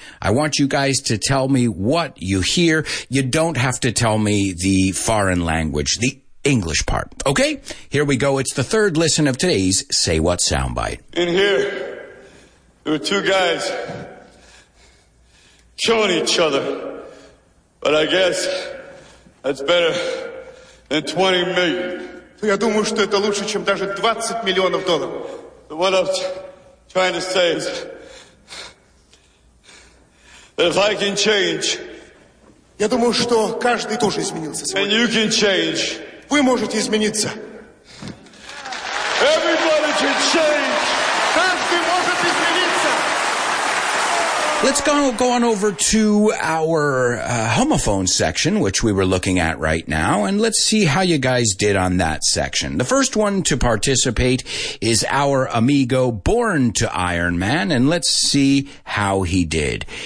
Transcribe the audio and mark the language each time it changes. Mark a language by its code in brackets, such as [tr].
[en] I want you guys to tell me what you hear. You don't have to tell me the foreign language, the English part. Okay, here we go. It's the third listen of today's Say What soundbite. In here, there were two guys killing each other. But I guess that's better than 20 million. [ru] Я думаю, что это лучше, чем даже 20 миллионов долларов. [en] But what I'm trying to say is that if I can change, [ru] я думаю, что каждый тоже изменился сегодня. [en] And you can change. [ru] Вы можете измениться. [en] Everybody should change. [ru] Каждый может измениться. [en] Let's go on over to our homophone section, which we were looking at right now, and let's see how you guys did on that section. The first one to participate is our amigo Born to Iron Man, and let's see how he did.